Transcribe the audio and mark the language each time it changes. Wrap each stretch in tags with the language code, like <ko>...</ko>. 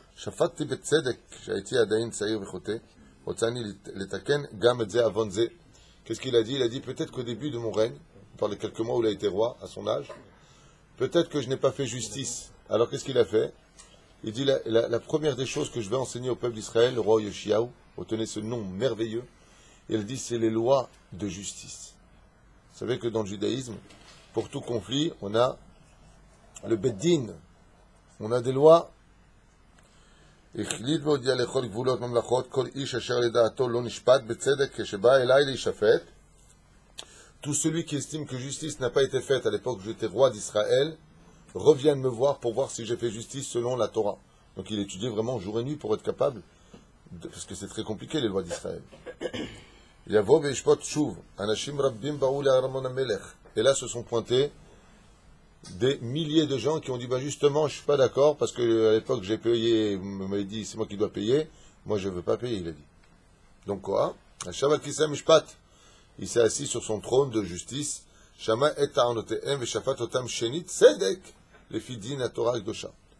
<he>שפטתי בצדק שהייתי עדיין צעיר וחוטא, רוצה אני לתקן גם את זה אבון זה.</he> <fr>Qu'est-ce qu'il a dit? Il a dit peut-être qu'au début de mon règne, par les quelques mois où il a été roi, à son âge, peut-être que je n'ai pas fait justice. Alors qu'est-ce qu'il a fait? Il dit la première des choses que je vais enseigner au peuple d'Israël, le roi Yoshiaou, retenez ce nom merveilleux, il dit c'est les lois de justice. Vous savez que dans le judaïsme, pour tout conflit, on a le Beddin, on a des lois.</fr> <he>החליט והודיע לכל גבולות ממלכות, כל איש אשר לדעתו לא נשפט בצדק כשבא אליי להישפט.</he> <fr>Tout celui qui estime que justice n'a pas été faite à l'époque où j'étais roi d'Israël, revienne me voir pour voir si j'ai fait justice selon la Torah. Donc il étudiait vraiment jour et nuit pour être capable, parce que c'est très compliqué les lois d'Israël.</fr> <he>יבוא וישפוט שוב, אנשים רבים באו לארמון המלך.</he> <fr>Et là se sont pointés des milliers de gens qui ont dit, ben justement, je ne suis pas d'accord, parce qu'à l'époque, j'ai payé, vous m'avez dit, c'est moi qui dois payer, moi, je ne veux pas payer, il a dit. Donc quoi? Shabbat Kisem Mishpat, il s'est assis sur son trône de justice, Shama et Ta'anotehem, et Shafat Otam Shenit, Sedek, les Fidin, Atorak, Dosha.</fr>